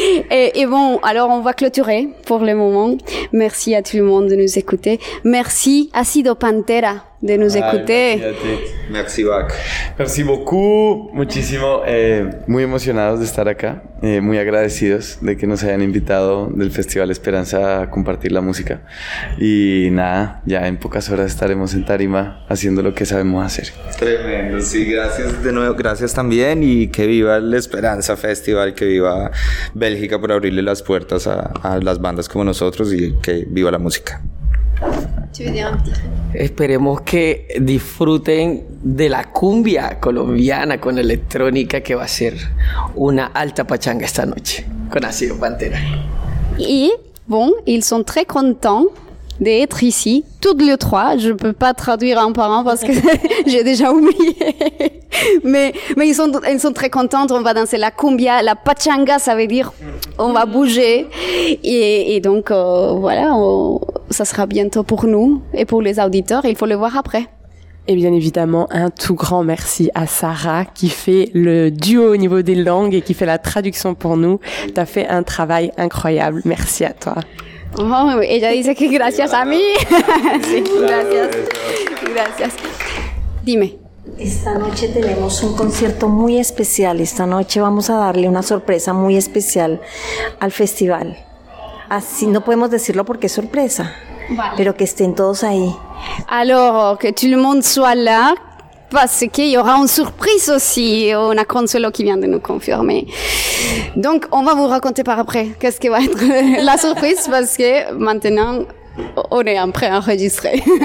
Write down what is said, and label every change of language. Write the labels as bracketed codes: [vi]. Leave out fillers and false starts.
[fr] Et bon, alors on va clôturer pour le moment. Merci à tout le monde de nous écouter. Merci à Sido Pantera de nous écouter. Merci Bach. Merci beaucoup. [es] Muchísimo. Muy emocionados de estar acá. Muy agradecidos de que nos hayan invitado del Festival Esperanza a compartir la música. Y nada, ya en pocas horas estaremos en Tarima haciendo lo que sabemos hacer. Tremendo. Sí, gracias de nuevo. Gracias también. Y que viva el Esperanza Festival. Que viva Bélgica por abrirle las puertas a las bandas como nosotros. Y que viva la música. Esperemos que disfruten de la cumbia colombiana con electrónica, que va a ser una alta pachanga esta noche con Acido Pantera. [fr] Y bon, ils sont très contents d'être ici, toutes les trois. Je ne peux pas traduire en parlant parce que j'ai déjà oublié. Mais ils sont très contents. On va danser la cumbia, la pachanga, ça veut dire on va bouger. Et donc, voilà, ça sera bientôt pour nous et pour les auditeurs. Il faut le voir après. Et bien évidemment, un tout grand merci à Sarah qui fait le duo au niveau des langues et qui fait la traduction pour nous. Tu as fait un travail incroyable. Merci à toi. [es] Oh, ella dice que gracias a mí. Sí, gracias. Gracias. Dime. Esta noche tenemos un concierto muy especial. Esta noche vamos a darle una sorpresa muy especial al festival. Así no podemos decirlo porque es sorpresa. Vale. Pero que estén todos ahí. [fr] Alors, que tout le monde soit là. Parce qu'il y aura une surprise aussi, on a Consuelo qui vient de nous confirmer. Donc, on va vous raconter par après qu'est-ce qui va être la surprise, parce que maintenant, On est en préenregistré.